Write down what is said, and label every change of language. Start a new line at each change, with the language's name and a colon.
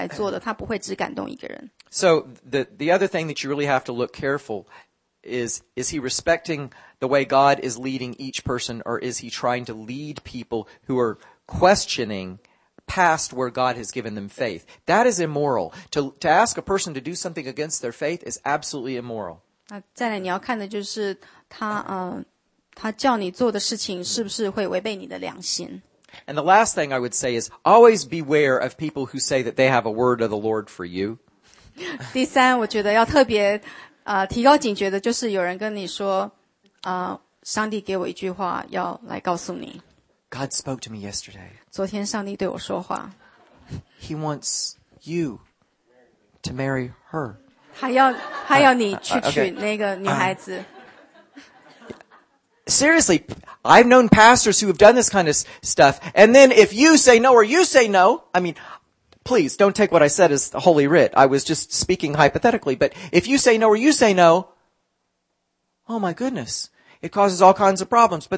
Chinese: 可是第二要看的是，这是不是全体每一个人都有这样的一个感动呢？还因为如果是神要一个团体来做的，他不会只感动一个人。So
English: the other thing that you really have to look careful is he respecting the way God is leading each person, or is he trying to lead people who are questioning past where God has given them faith? That is immoral. To ask a person to do something against their faith is absolutely immoral.
Chinese: 再来你要看的就是他叫你做的事情是不是会违背你的良心。
English: And the last thing I would say is always beware of people who say that they have a word of the Lord for you.
Chinese: 第三，我觉得要特别 提高警觉的就是有人跟你说，上帝给我一句话要来告诉你。
English: God spoke to me yesterday.
Chinese: 昨天上帝对我说话。
English: He wants you to marry her.
Chinese: 他要你去娶那个女孩子。
English: Seriously, I've known pastors who have done this kind of stuff, and then if you say no or you say no, I mean, please, don't take what I said as the holy writ. I was just speaking hypothetically. But if you say no or you say no, oh my goodness, it causes all kinds of problems.